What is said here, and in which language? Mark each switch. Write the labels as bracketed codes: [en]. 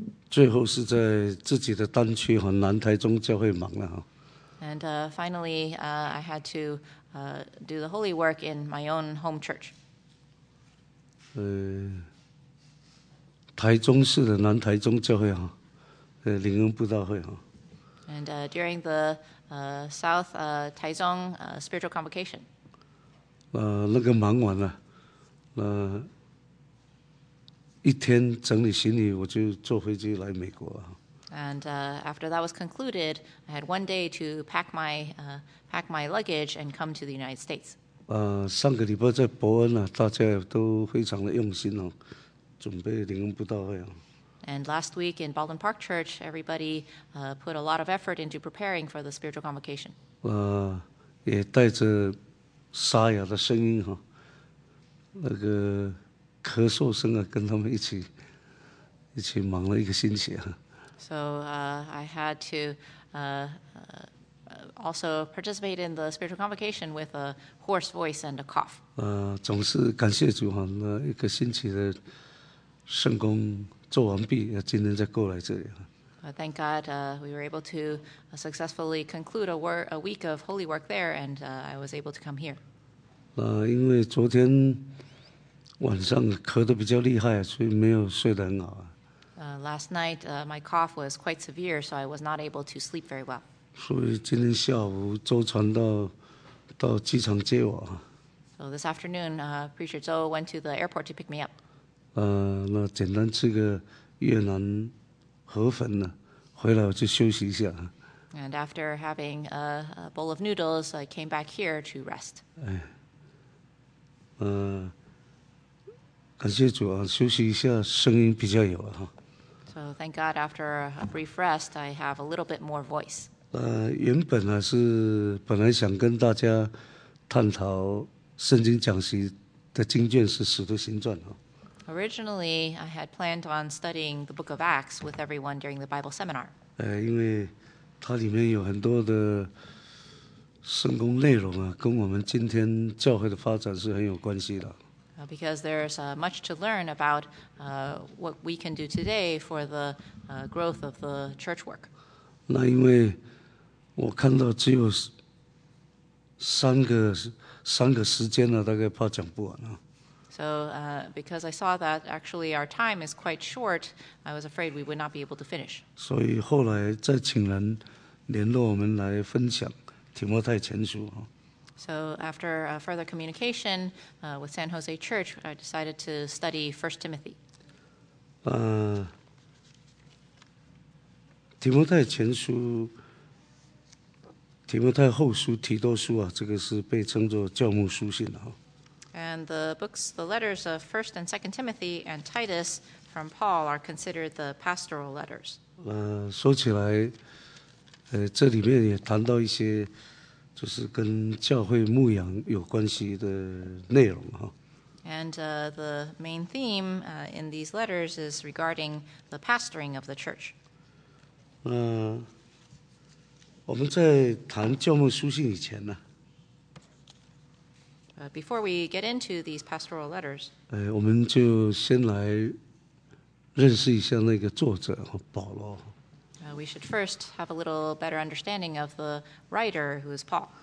[zh] 最后是在自己的单区和南台中教会忙了。 [en] And finally, I had to do the holy work in my own home church. [zh] 台中市的南台中教会啊，灵恩布道会啊。 [en] And during the South Taizong spiritual convocation. [zh] 那个忙完了，一天整理行李，我就坐飞机来美国。 [en] And after that was concluded, I had one day to pack my luggage and come to the United States. [zh] 上个礼拜在伯恩啊，大家都非常的用心哦，准备灵恩布道会啊。 [en] And last week in Baldwin Park Church, everybody put a lot of effort into preparing for the spiritual convocation. [zh] 也带着沙哑的声音哈、哦，那个咳嗽声啊，跟他们一起忙了一个星期啊。 [en] So I had to also participate in the spiritual convocation with a hoarse voice and a cough. [zh] 总是感谢主哈，那一个星期的圣工做完毕，今天再过来这里。 [en] Thank God, we were able to successfully conclude a week of holy work there, and I was able to come here. [zh] 因为昨天晚上咳得比较厉害，所以没有睡得很好。 [en] Last night, my cough was quite severe, so I was not able to sleep very well. [zh] 所以今天下午周传到机场接我。 [en] So this afternoon, Preacher Zhou went to the airport to pick me up. [zh] 那简单吃个越南河粉呢，回来我就休息一下。 [en] And after having a bowl of noodles, I came back here to rest. [zh] 感谢主啊，休息一下，声音比较有啊。 [en] So thank God, after a brief rest, I have a little bit more voice. [zh] 原本呢是本来想跟大家探讨圣经讲习的经卷是《使徒行传》啊。 [en] Originally, I had planned on studying the Book of Acts with everyone during the Bible seminar. [zh] 因为它里面有很多的圣工内容啊，跟我们今天教会的发展是很有关系的。 [en] Because there's much to learn about what we can do today for the growth of the church work. [zh] 那因为我看到只有三个时间了，大概怕讲不完啊。 [en] So because I saw that actually our time is quite short, I was afraid we would not be able to finish. [zh] 所以后来再请人联络我们来分享提摩太前书啊。 [en] So after a further communication with San Jose Church, I decided to study 1 Timothy. [zh] 提摩太前书，提摩太后书，提多书啊，这个是被称作教牧书信啊。 [en] And the books, the letters of 1 and 2 Timothy and Titus from Paul are considered the pastoral letters. [zh] 说起来，这里面也谈到一些就是跟教会牧养有关系的内容哈。 [en] And the main theme in these letters is regarding the pastoring of the church. [zh] 我们在谈教牧书信以前呢、啊。 [en] Before we get into these pastoral letters. [zh] 我们就先来认识一下那个作者保罗。 [en] We should first have a little better understanding of the writer, who is Paul.